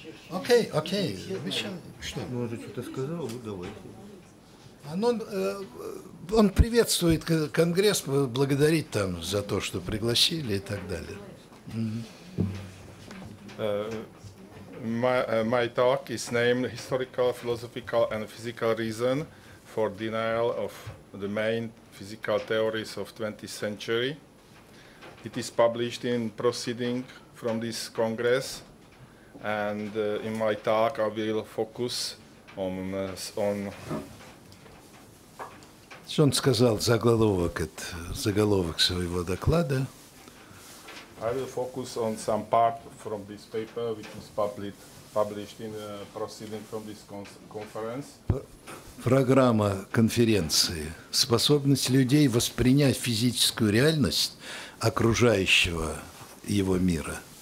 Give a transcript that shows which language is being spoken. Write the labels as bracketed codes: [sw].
[ru] Окей, окей. Вы что? Ну, уже что-то сказал, ну, давайте. Он приветствует Конгресс, благодарит там за то, что пригласили и так далее. [en] My talk is named Historical, Philosophical and Physical Reason for Denial of the Main Physical Theories of 20th Century. It is published in Proceeding from this Congress, and in my talk I will focus on [ru] что он сказал заголовок своего доклада. [en] I will focus on some part from this paper which was published in Proceeding from this conference. [ru] Программа конференции. Способность людей воспринять физическую реальность окружающего его мира.